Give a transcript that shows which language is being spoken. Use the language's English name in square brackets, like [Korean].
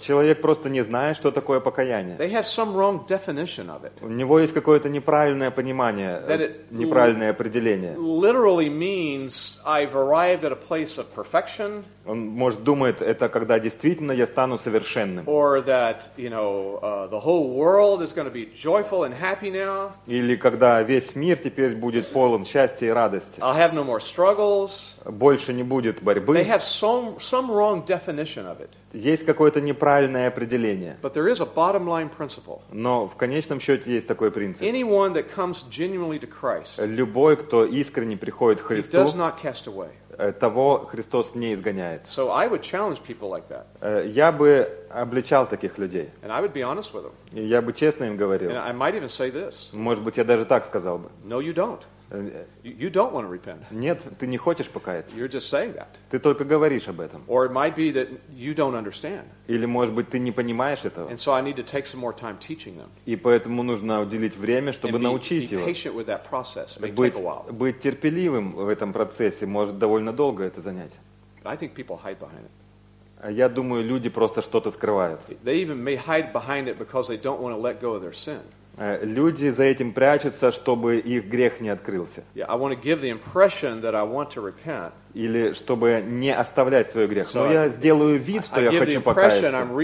[Russian] Человек просто не знает, что такое покаяние. [English] They have some wrong definition of it. [Russian] У него есть какое-то неправильное понимание, неправильное определение. [English] Literally means I've arrived at a place of perfection. [Russian] Он, может, думает, это когда действительно я стану совершенным. [English] Or that, you know, the whole world is going to be joyful and happy now. [Russian] Или когда весь мир теперь будет полон счастья и радости. [English] I'll have no more struggles. [Russian] Больше не будет борьбы. [English] They have some wrong definition of it. [Russian] Есть какое-то неправильное определение. [English] But there is a bottom line principle. [Russian] Но в конечном счете есть такой принцип. [English] Anyone that comes genuinely to Christ, [Russian] любой, кто искренне приходит к Христу, [English] he does not cast away. [Russian] Того Христос не изгоняет. [English] So I would challenge people like that. [Russian] Я бы обличал таких людей. [English] And I would be honest with them. [Russian] И я бы честно им говорил. [English] And I might even say this. [Russian] Может быть, я даже так сказал бы. [English] No, you don't. You don't want to repent. [Russian] Нет, ты не хочешь покаяться. [English] You're just saying that. [Russian] Ты только говоришь об этом. [English] Or it might be that you don't understand. [Russian] Или, может быть, ты не понимаешь этого. [English] And so I need to take some more time teaching them. [Russian] И поэтому нужно уделить время, чтобы научить его. [English] Be patient with that process. It may take a while. [Russian] Быть терпеливым в этом процессе может довольно долго это занять. [English] I think people hide behind it. [Russian] Я думаю, люди просто что-то скрывают. [English] They even may hide behind it because they don't want to let go of their sin. [Russian] Люди за этим прячутся, чтобы их грех не открылся. [English] Yeah, I want to give the impression that I want to repent. [Russian] Или чтобы не оставлять свой грех. Но я сделаю вид, что я хочу покаяться.